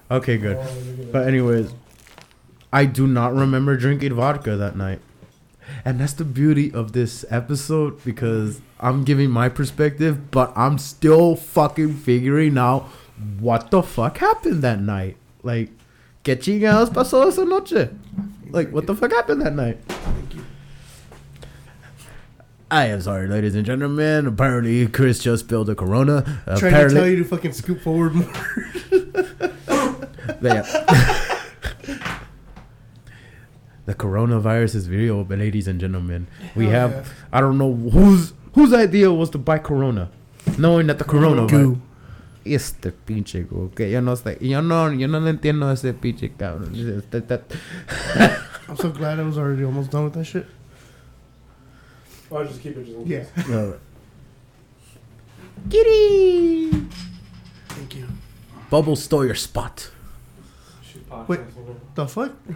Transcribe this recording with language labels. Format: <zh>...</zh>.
<en>Okay, good. But anyways, I do not remember drinking vodka that night. And that's the beauty of this episode, because I'm giving my perspective, but I'm still fucking figuring out what the fuck happened that night. Like,</en> <es>¿qué chingados pasó esa noche?</es> <en>Like, what the fuck happened that night? I am sorry, ladies and gentlemen. Apparently, Chris just spilled a Corona. Trying to tell you to fucking scoop forward more. Yeah. The coronavirus is real, but ladies and gentlemen, we have, yeah. I don't know whose idea was to buy Corona, knowing that the coronavirus.</en> <es>Este pinche, okay, yo no le entiendo ese pinche cabrón.</es> <en>I'm so glad I was already almost done with that shit. I'll just keep it. Yeah. Kitty! Thank you. Bubble stole your spot. Wait, the fuck?</en>